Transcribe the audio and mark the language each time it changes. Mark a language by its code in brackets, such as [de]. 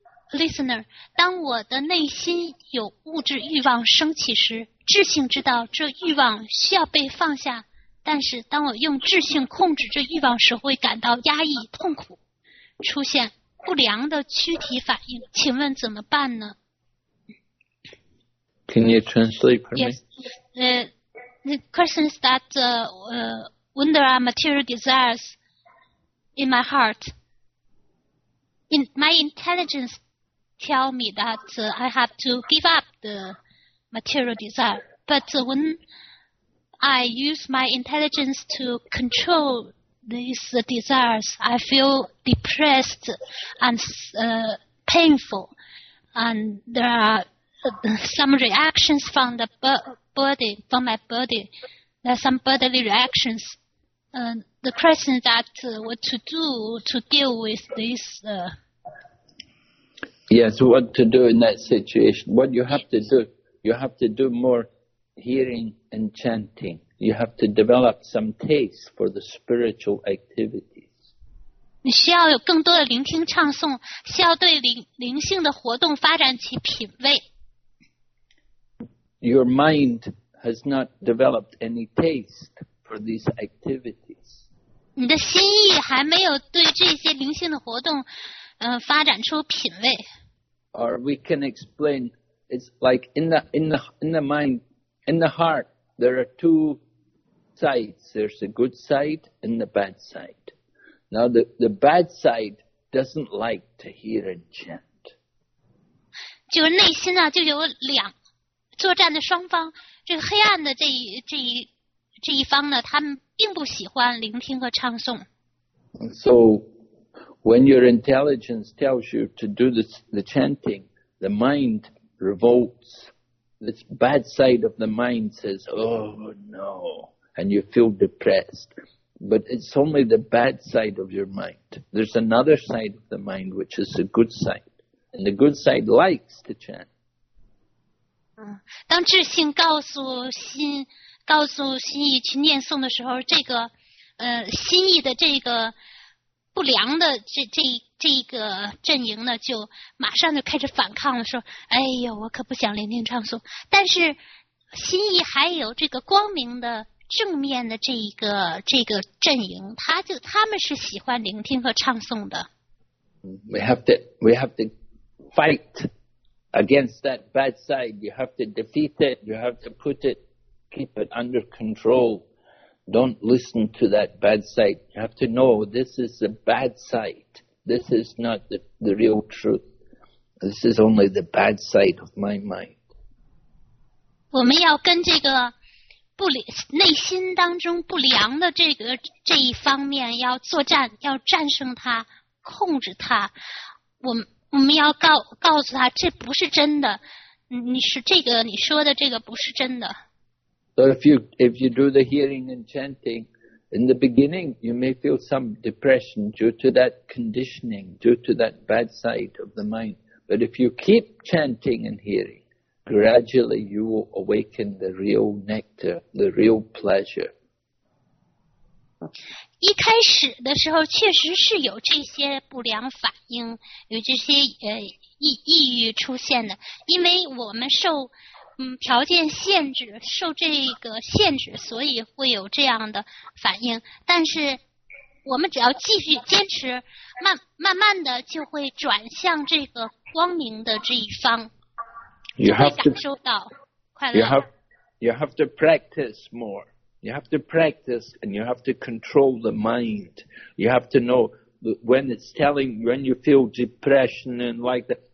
[zh] Listener, 当我的内心有物质欲望升起时，智性知道这欲望需要被放下，但是当我用智性控制这欲望时，会感到压抑、痛苦，出现不良的躯体反应。请问怎么办呢？ [en] Can you translate for me? Yes, the question is that when there are material desires in my heart, in my intelligenceTell me that I have to give up the material desire. But when I use my intelligence to control these desires, I feel depressed and painful. And there are some reactions from the body, from my body. There are some bodily reactions. The question is that what to do to deal with this... Yes, what to do in that situation? What you have to do, you have to do more hearing and chanting. You have to develop some taste for the spiritual activities. [zh] 你需要有更多的聆听唱诵，需要对灵性的活动发展起品味。 [en] Your mind has not developed any taste for these activities. [zh] 你的心意还没有对这些灵性的活动发展出品味。 [en] Or we can explain, it's like in the mind, in the heart, there are two sides. There's the good side and the bad side. Now the bad side doesn't like to hear and chant. [zh] 就是内心呢、啊、就有两作战的双方，这个黑暗的这一方呢，他们并不喜欢聆听和唱诵。 [en] So. When your intelligence tells you to do the chanting, the mind revolts. This bad side of the mind says, oh no, and you feel depressed. But it's only the bad side of your mind. There's another side of the mind, which is the good side. And the good side likes to chant. [zh] 当智性告诉心意去念诵的时候，这个心意的这个不良的这个阵营呢，就马上就开始反抗了，说：“哎呦，我可不想聆听唱诵。” 但是心意还有这个光明的正面的这个阵营，他们是喜欢聆听和唱诵的。 [en] We have to fight against that bad side. You have to defeat it. You have to put it, keep it under control. Don't listen to that bad side. You have to know this is a bad side. This is not the real truth. This is only the bad side of my mind. [zh] 我们要跟这个内心当中不良的这一方面要作战，要战胜它，控制它。我们要告诉他，这不是真的。你说的这个不是真的。 [en] So if you do the hearing and chanting, in the beginning, you may feel some depression due to that conditioning, due to that bad side of the mind. But if you keep chanting and hearing, gradually you will awaken the real nectar, the real pleasure. [zh] 一开始的时候确实是有这些不良反应，有这些抑郁出现的，因为我们受条件限制，受这个限制，所以会有这样的反应。但是我们只要继续坚持，慢慢的就会转向这个光明的这一方，就会感受到快乐。 [en] You have to practice more. You have to practice and you have to control the mind. You have to know when it's telling, when you feel depression and like that.